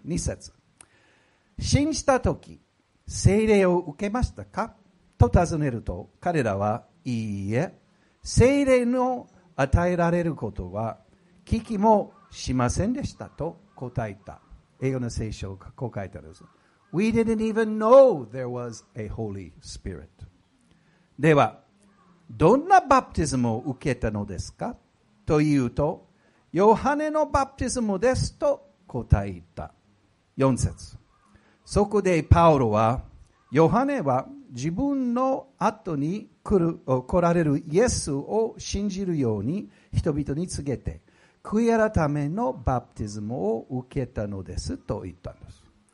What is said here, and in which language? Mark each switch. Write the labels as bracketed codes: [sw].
[ja] 2節、信じたとき聖霊を受けましたかと尋ねると、彼らはいいえ、聖霊の与えられることは聞きもしませんでしたと答えた。英語の聖書がこう書いてあるんです。 [en] We didn't even know there was a Holy Spirit。 [ja] ではどんなバプティズムを受けたのですかというと、ヨハネのバプティズムですと答えた。 4節、そこでパウロは、ヨハネは自分の後に来られるイエスを信じるように人々に告げて、悔い改めのバプティズムを受けたのですと言ったんです。